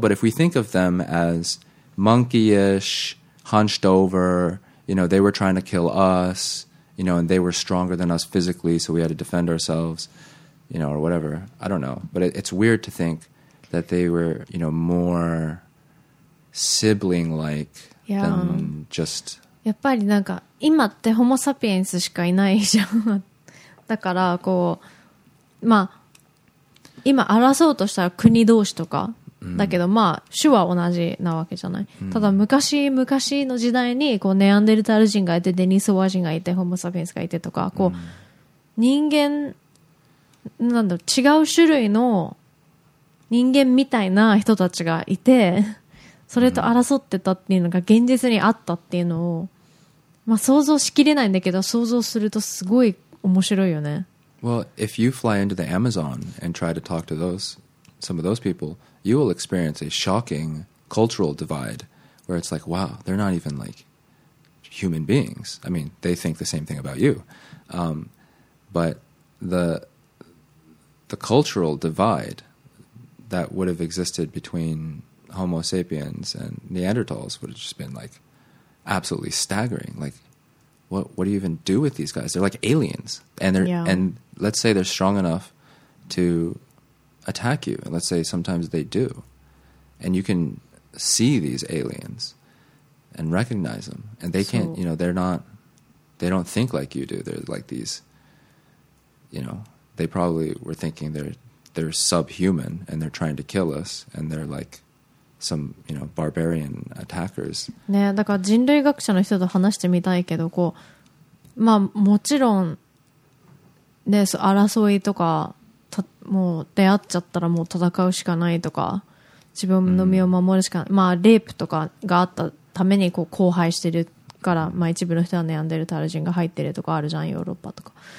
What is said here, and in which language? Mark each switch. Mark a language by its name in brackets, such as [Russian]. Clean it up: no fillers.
[English] But if we think of them as monkeyish, hunched over, you know, they were trying to kill us... You know, and they were stronger than us physically, so we had to defend ourselves, you know, or whatever. I don't know. But it's weird to think that they were, you know, more sibling-like than just... [Japanese] やっぱりなんか、今ってホモサピエンスしかいないじゃん。だからこう、まあ、今争うとしたら国同士とか、だけど、まあ、種は同じなわけじゃない。ただ、昔の時代に、こう、ネアンデルタル人がいて、デニソワ人がいて、ホモサピエンスがいてとか、こう、人間、なんだろう、違う種類の人間みたいな人たちがいて、それと争ってたっていうのが現実にあったっていうのを、まあ、想像しきれないんだけど、想像するとすごい面白いよね。 [English] Well, if you fly into the Amazon and try to talk to some of those people, you will experience a shocking cultural divide where it's like, wow, they're not even like human beings. I mean, they think the same thing about you. But the cultural divide that would have existed between Homo sapiens and Neanderthals would have just been like absolutely staggering. Like, what do you even do with these guys? They're like aliens. And they're, yeah. And let's say they're strong enough to attack you. And let's say sometimes they do. And you can see these aliens and recognize them. And they can't, you know, they don't think like you do. They're like these, you know, they probably were thinking they're subhuman and they're trying to kill us. And they're like some, you know, barbarian attackers. [Japanese] ね、だから人類学者の人と話してみたいけど、こう、まあもちろん、ね、争いとか、もう出会っちゃったらもう戦うしかないとか、自分の身を守るしかない、まあレイプとかがあったためにこう荒廃してるから、まあ一部の人はネアンデルタル人が入ってるとかあるじゃん、ヨーロッパとか。